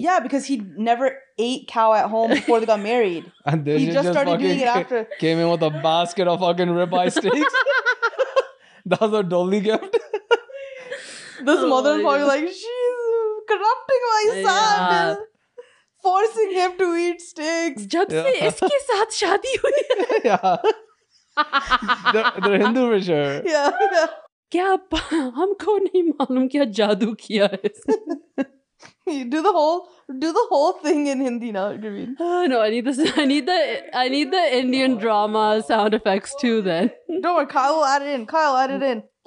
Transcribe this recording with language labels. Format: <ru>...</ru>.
<en>Yeah, because he never ate cow at home before they got married. And then he just started doing it after. Came in with a basket of fucking ribeye steaks. That was a dolly gift. This mother is probably like, she's corrupting my son, forcing him to eat steaks.</en> <hi>जब से इसके साथ शादी हुई.</hi> <en>They're Hindu for sure. Yeah.</en> <hi>क्या हमको नहीं मालूम क्या जादू किया है.</hi> <en>Do the whole thing in Hindi now, Gavin. No, I need this. I need the Indian drama sound effects too. Then don't worry, Kyle will add it in.</en>